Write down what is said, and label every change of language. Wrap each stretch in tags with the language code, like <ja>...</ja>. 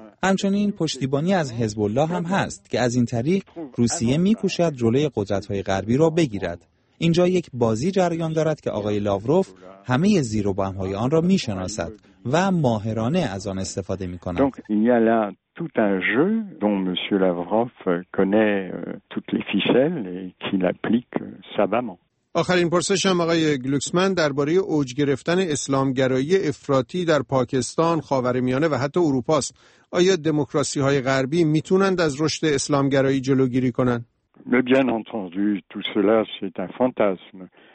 <fa>همچنین پشتیبانی از حزب الله هم هست که از این طریق روسیه می‌کوشد جلوی قدرت‌های غربی را بگیرد. اینجا یک بازی جریان دارد که آقای لاوروف همه زیر و بم‌های آن را می‌شناسد و ماهرانه از آن استفاده می‌کند.</fa> <fr>Tout un jeu dont monsieur Lavrov connaît toutes les ficelles et qu'il applique savamment.</fr> <fa>آخرین پرسش هم آقای گلوکسمن درباره اوج گرفتن اسلامگرایی افراطی در پاکستان، خاورمیانه و حتی اروپا است. آیا دموکراسی‌های غربی میتونند از رشد اسلامگرایی جلوگیری کنند؟</fa> <fr>Bien entendu, tout cela c'est un fantasme.</fr>